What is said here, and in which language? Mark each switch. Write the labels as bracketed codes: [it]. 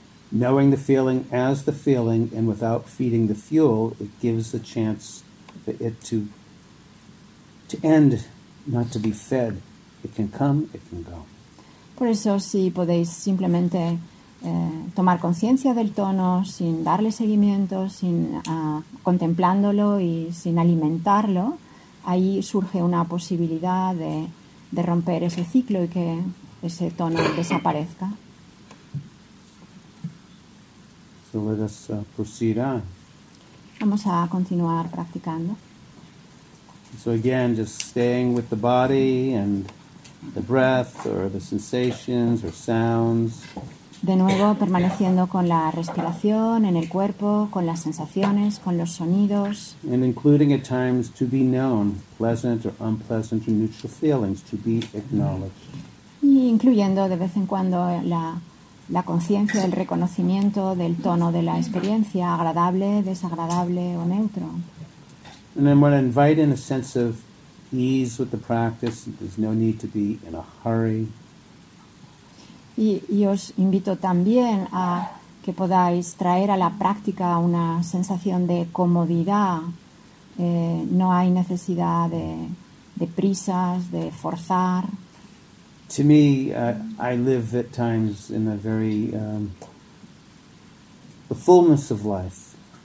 [en] Knowing the feeling as the feeling and without feeding the fuel, it gives the chance for it to end, not to be fed. It can come, it can go. [es] Por eso si podéis simplemente tomar conciencia del tono sin darle seguimiento, sin contemplándolo y sin alimentarlo, ahí surge una posibilidad de romper ese ciclo y que ese tono desaparezca. [en] So let us proceed on. [es] Vamos a continuar practicando. [en] So again, just staying with the body and the breath or the sensations or sounds. [es] De nuevo, permaneciendo con la respiración en el cuerpo, con las sensaciones, con los sonidos. [en] And including at times to be known, pleasant or unpleasant or neutral feelings, to be acknowledged. [es] Y incluyendo de vez en cuando la conciencia, el reconocimiento del tono de la experiencia, agradable, desagradable o neutro. [en] And then when I invite in a sense of ease with the practice, there's no need to be in a hurry. [es] Y os invito también a que podáis traer a la práctica una sensación de comodidad. No hay necesidad de prisas, de forzar. [en] To me, I live at times in a very the fullness of life.